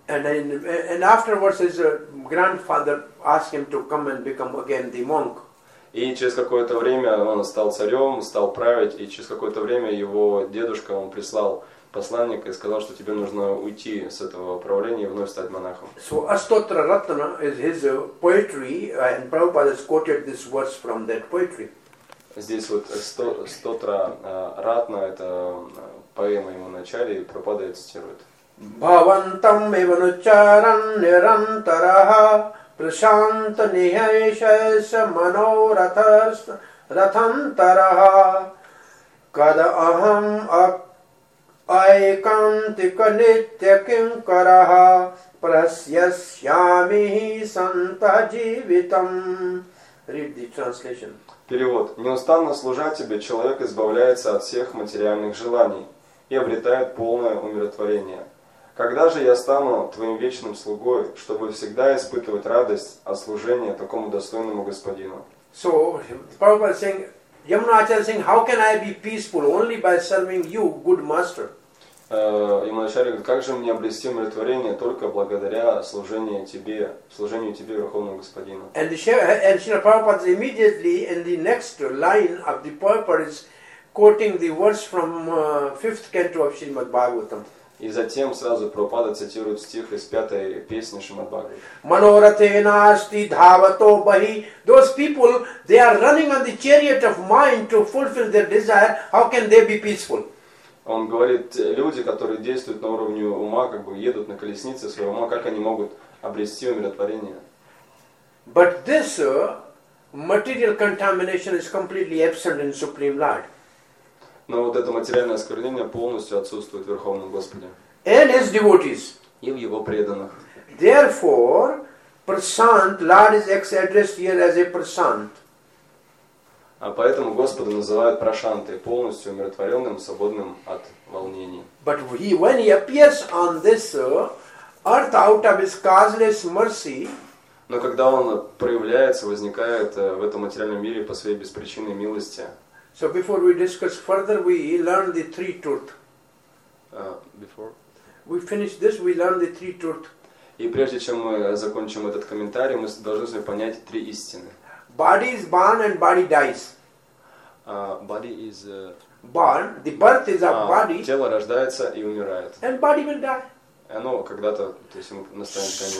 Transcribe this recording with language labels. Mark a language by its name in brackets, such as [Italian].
[English] And afterwards his grandfather asked him to come and become again the monk. [Russian] И через какое-то время он стал царем, стал править, и через какое-то время его дедушка он прислал посланника и сказал, что тебе нужно уйти с этого правления и вновь стать монахом. [English] So Astotra Ratna is his poetry, and Prabhupada has quoted this verse from that poetry. [Russian] Здесь вот Astotra Ratna это поэма ему начали и Прабхупада это цитирует. [Sanskrit] Bhavantam evanucharan nirantaraha prashanta nihayesha manoratas ratantaraha kada aham ak ऐकांतिक नित्य किं करः प्रस्यस्यामि हि संतः जीवितम् [English] Read the translation. [Russian] Перевод. Неустанно служа тебе, человек избавляется от всех материальных желаний и обретает полное умиротворение. Когда же я стану твоим вечным слугой, чтобы всегда испытывать радость от служения такому достойному господину? [English] So, Prabhupada is saying, Yamuna Acharya is saying, how can I be peaceful only by serving you, good master? [Russian] Иманачарья говорит, как же мне обрести умиротворение только благодаря служению тебе, Верховному Господину. [English] And Шрила Прабхупада immediately in the next line of the purport is quoting the verse from 5th canto of Shrimad Bhagavatam. [Russian] И затем сразу Прабхупада цитирует стих из пятой песни Шримад Бхагаватам. [Sanskrit] Манорате насти дхавато бахи. [English] Those people, they are running on the chariot of mind to fulfill their desire. How can they be peaceful? [Russian] Он говорит, люди, которые действуют на уровне ума, как бы едут на колеснице своего ума, как они могут обрести умиротворение? [English] But this material contamination is completely absent in Supreme Lord. [Russian] Но вот это материальное осквернение полностью отсутствует в Верховном Господе. [English] And his devotees. [Russian] И в его преданных. [English] Therefore, Prasant, Lord is addressed here as a Prasant. [Russian] А поэтому Господа называют прашантой, полностью умиротворенным, свободным от волнений. [English] But he, when he appears on this earth out of his causeless mercy, [Russian] но когда он проявляется, возникает в этом материальном мире по своей беспричинной милости. [English] So before we discuss further, we learn the three truth. Before? We finish this, we learn the three truth. [Russian] И прежде чем мы закончим этот комментарий, мы должны с вами понять три истины. [English] Body is born and body dies. Body is born. The birth is of body. [Russian] Тело рождается и умирает. [English] And body will die. [Russian] Оно когда-то, то есть ему настанет конец.